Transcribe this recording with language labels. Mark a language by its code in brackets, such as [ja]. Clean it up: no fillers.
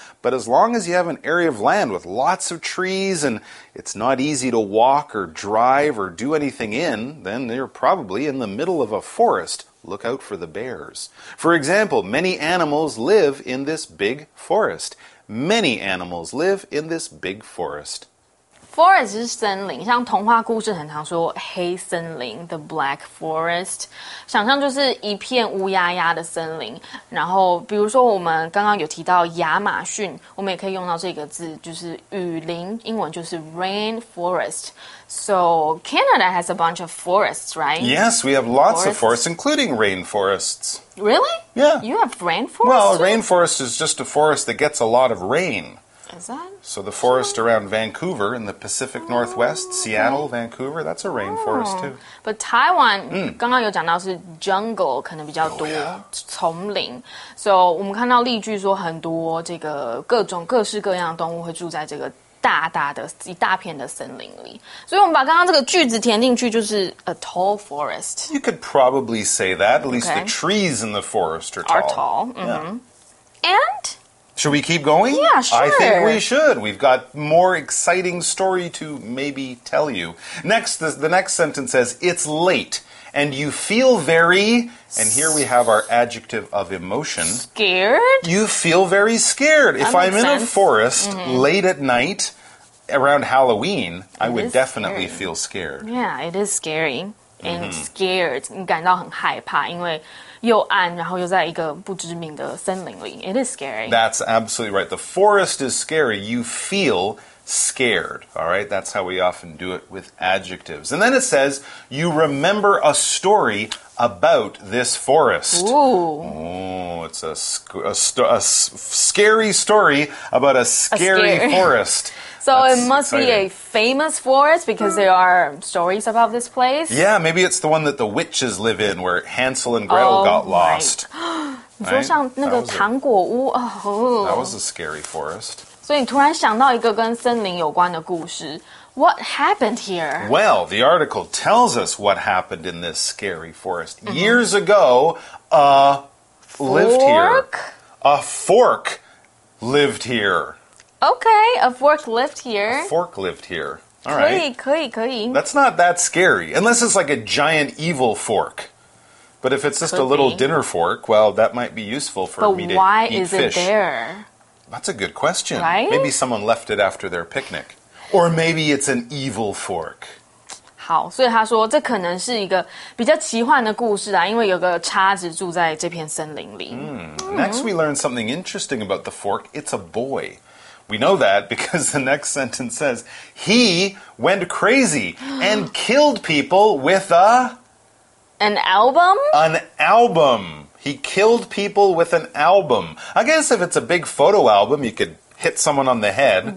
[en] But as long as you have an area of land with lots of trees and it's not easy to walk or drive or do anything in, then you're probably in the middle of a forest. Look out for the bears. For example, many animals live in this big forest. Many animals live in this big forest. [zh] Forest 就是森林，像童话故事很常说黑森林 ， [en] the black forest。 [zh] 想象就是一片乌压压的森林。然后，比如说我们刚刚有提到亚马逊，我们也可以用到这个字，就是雨林，英文就是 rainforest。 [en] So Canada has a bunch of forests, right? Yes, we have lots of forests, including rainforests. Really? Yeah. You have rainforests? Well, rainforest is just a forest that gets a lot of rain. Is that? So the forest around Vancouver in the Pacific Northwest, Seattle, Vancouver, that's a rainforest too. [zh] But Taiwan, 刚刚有讲到是 jungle, 可能比较多丛林。 So 我们看到例句说很多这个各种各式各样的动物会住在这个大大的一大片的森林里。所以我们把刚刚这个句子填进去就是 [en] a tall forest. You could probably say that, at least the trees in the forest are tall. Are tall, And... Should we keep going? Yeah, sure. I think we should. We've got more exciting story to maybe tell you. Next, the next sentence says, it's late and you feel very... And here we have our adjective of emotion. Scared? You feel very scared. If I'm in a forest late at night around Halloween, I would definitely feel scared. Yeah, it is scary. And scared. [zh] 你感到很害怕因为又暗然后又在一个不知名的森林里 [en] It is scary. That's absolutely right. The forest is scary. You feel scared. All right? That's how we often do it with adjectives. And then it says, you remember a story about this forest. Ooh. Oh, it's a scary story about a scary forest. So That's it must exciting. Be a famous forest because there are stories about this place. Yeah, maybe it's the one that the witches live in where Hansel and Gretel got lost. Right. [zh] Right? 你说像那个糖果屋 [en] that was a scary forest. [zh] 所以你突然想到一个跟森林有关的故事。 [en] What happened here? Well, the article tells us what happened in this scary forest. Mm-hmm. Years ago, a fork lived here. Okay, a fork lived here. A fork lived here. All right. [zh] 可以。 [en] That's not that scary, unless it's like a giant evil fork. But if it's just a little dinner fork, well, that might be useful for me to eat fish. But why is it there? That's a good question. Right? Maybe someone left it after their picnic. Or maybe it's an evil fork. [zh] 好，所以他说这可能是一个比较奇幻的故事啦，因为有个叉子住在这片森林里。 [en] Next, we learn something interesting about the fork. It's a boy. We know that because the next sentence says, he went crazy and killed people with a... An album? An album. He killed people with an album. I guess if it's a big photo album, you could hit someone on the head.